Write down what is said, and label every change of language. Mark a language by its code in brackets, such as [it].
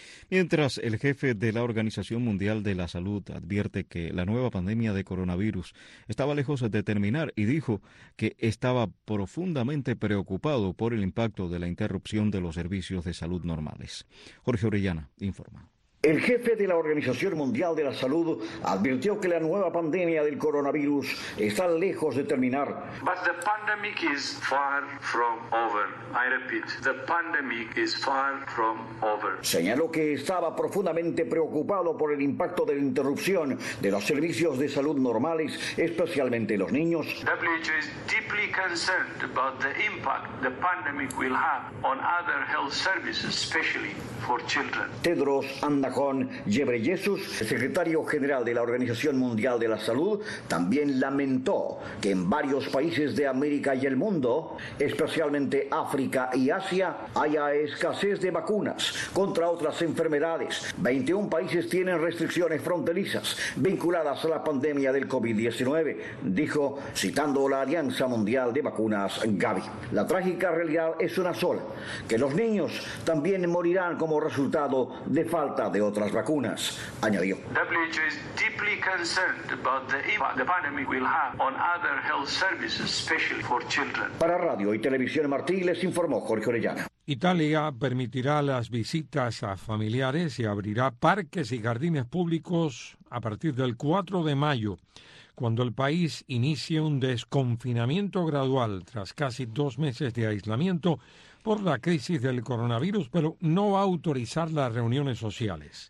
[es] Mientras, el jefe de la Organización Mundial de la Salud advierte que la nueva pandemia de coronavirus estaba lejos de terminar y dijo que estaba profundamente preocupado por el impacto de la interrupción de los servicios de salud normales. Jorge Orellana informa. El jefe de la Organización Mundial de la Salud advirtió que la nueva pandemia del coronavirus está lejos de terminar. [en] But the pandemic is far from over. I repeat, the pandemic is far from over. [es] Señaló que estaba profundamente preocupado por el impacto de la interrupción de los servicios de salud normales, especialmente los niños. [en] WHO is deeply concerned about the impact the pandemic will have on other health services, especially for children. [es] Tedros Adhanom Ghebreyesus, secretario general de la Organización Mundial de la Salud, también lamentó que en varios países de América y el mundo, especialmente África y Asia, haya escasez de vacunas contra otras enfermedades. 21 países tienen restricciones fronterizas vinculadas a la pandemia del COVID-19, dijo, citando la Alianza Mundial de Vacunas, Gavi. La trágica realidad es una sola, que los niños también morirán como resultado de falta de otras vacunas, añadió. [en] WHO is deeply concerned about the impact the pandemic will have on other health services, especially for children. [es] Para Radio y Televisión Martí les informó Jorge Orellana. Italia permitirá las visitas a familiares y abrirá parques y jardines públicos a partir del 4 de mayo, cuando el país inicie un desconfinamiento gradual tras casi dos meses de aislamiento por la crisis del coronavirus, pero no va a autorizar las reuniones sociales.